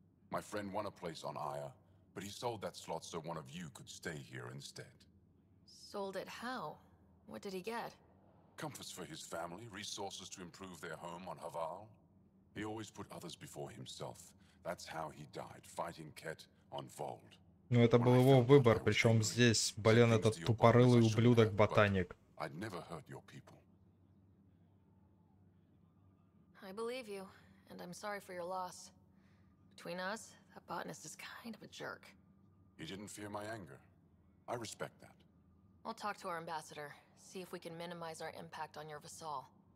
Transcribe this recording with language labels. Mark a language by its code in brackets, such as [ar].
[en] My friend won a place on Aya, but he sold that slot so one of you could stay here instead. Sold it how? What did he get? Comforts for his family, resources to improve their home on Haval. He always put others before himself. That's how he died, fighting Kett on Vold. [ru] Ну это был его выбор, причем здесь, блин, этот тупорылый ублюдок ботаник. [en] I'd never hurt your people. I believe you, and I'm sorry for your loss. Between us, that botanist is kind of a jerk. He didn't fear my anger. I respect that. I'll talk to our ambassador, see if we can minimize our impact on your vassal.